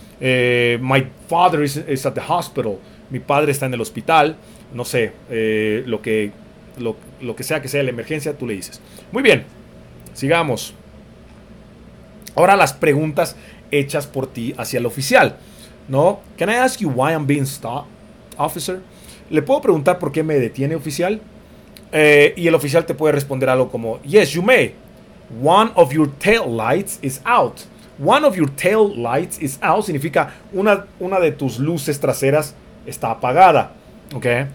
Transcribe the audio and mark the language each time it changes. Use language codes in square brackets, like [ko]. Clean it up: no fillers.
[en] My father is at the hospital. [es] Mi padre está en el hospital. No sé, lo que sea que sea la emergencia, tú le dices. Muy bien, sigamos. Ahora las preguntas hechas por ti hacia el oficial, ¿no? [en] Can I ask you why I'm being stopped, officer? [es] ¿Le puedo preguntar por qué me detiene, oficial? Y el oficial te puede responder algo como, [en] yes, you may. One of your tail lights is out. One of your tail lights is out [es] significa una de tus luces traseras está apagada. ¿Ok?